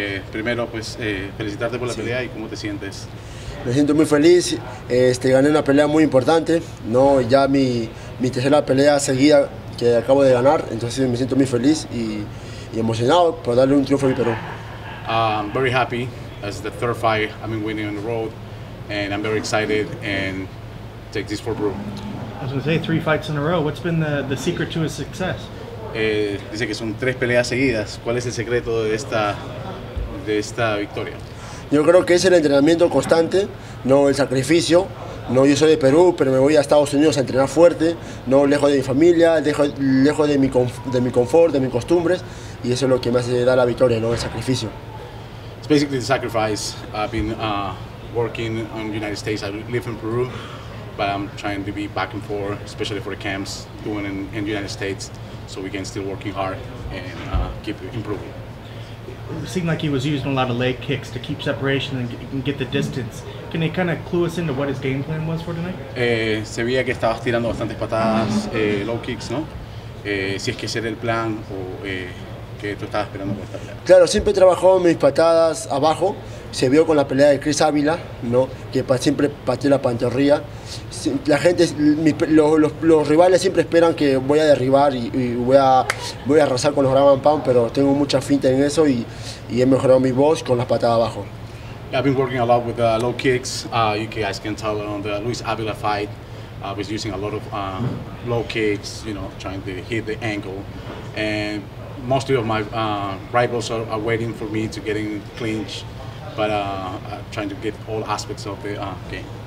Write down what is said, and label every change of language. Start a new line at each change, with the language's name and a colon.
Spanish: Primero, pues, felicitarte por la pelea y cómo te sientes. Me siento muy feliz. Gané una pelea muy importante. No, ya mi tercera pelea seguida que acabo de ganar. Entonces me siento muy feliz y emocionado por darle un triunfo a mi Perú.
English: Very happy. As the third fight I've been winning on the road, and I'm very excited and take this for Peru. I was gonna say three fights in a row. What's been the secret to his success?
Spanish: Dice que son tres peleas seguidas. ¿Cuál es el secreto de esta victoria? Yo creo que es el entrenamiento constante, no el sacrificio. No, yo soy de Perú, pero me voy a Estados Unidos a entrenar fuerte, no lejos de mi familia, lejos de mi confort, de mis costumbres, y eso es lo que me hace dar la victoria, no el sacrificio.
English: It's basically the sacrifice. I've been working in the United States. I live in Peru, but I'm trying to be back and forth, especially for the camps doing in the United States, so we can still working hard and keep improving. It seemed like he was using a lot of leg kicks to keep separation and get the distance. Can he kind of clue us into what his game plan was for tonight?
Spanish: Se veía que estabas tirando bastantes patadas, low kicks, ¿no? Si es que ese era el plan o que tú estabas esperando por esta pelea. Claro, siempre trabajó mis patadas abajo. Se vio con la pelea de Chris Ávila, ¿no? Que siempre pateó la pantorrilla. La gente, los rivales siempre esperan que voy a derribar y voy a arrasar con los ground and pound, pero tengo mucha finta en eso y he mejorado mi voz con las patadas abajo.
English: I've been working a lot with low kicks. You guys can tell on the Luis Ávila fight. I was using a lot of low kicks, you know, trying to hit the angle. And most of my rivals are waiting for me to get in clinch. But trying to get all aspects of the game.